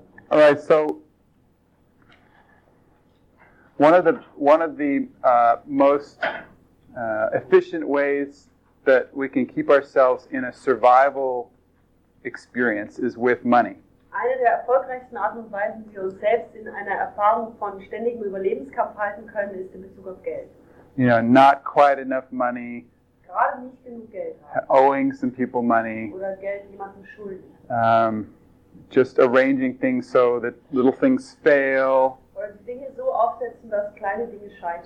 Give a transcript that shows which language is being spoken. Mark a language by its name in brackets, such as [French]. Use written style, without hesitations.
[English] guys, so one of the most efficient ways that we can keep ourselves in a survival experience is with money. [German] Eine der erfolgreichsten Arten und Weisen, wie wir uns selbst in einer Erfahrung von ständigem Überlebenskampf halten können, ist in Bezug auf Geld. [English] You know, not quite enough money. [German] Gerade nicht genug Geld [English] haben. Owing some people money. [German] Oder Geld jemandem schulden. [English] Just arranging things so that little things fail. [German] Oder die Dinge so aufsetzen, dass kleine Dinge scheitern.